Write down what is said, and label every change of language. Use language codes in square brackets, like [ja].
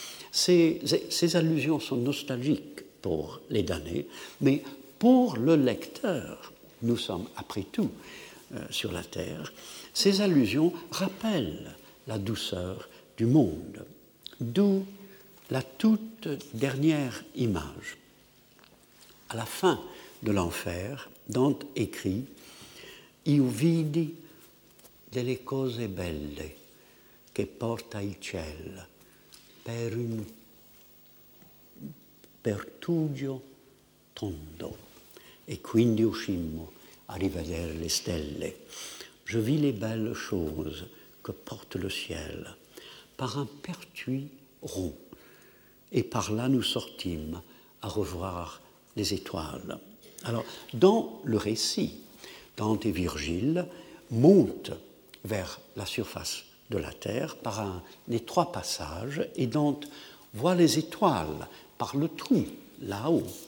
[fr] Ces allusions sont nostalgiques pour les damnés, mais pour le lecteur, nous sommes après tout sur la terre, ces allusions rappellent la douceur du monde, d'où la toute dernière image. À la fin de l'enfer, Dante écrit [it] « Io vidi delle cose belle che porta il ciel per un pertugio tondo e quindi uscimmo a rivedere le stelle. [fr] Je vis les belles choses que porte le ciel par un pertuis rond. Et par là, nous sortîmes à revoir les étoiles. » Alors, dans le récit, Dante et Virgile montent vers la surface de la Terre par un étroit passage, et Dante voit les étoiles par le trou, là-haut.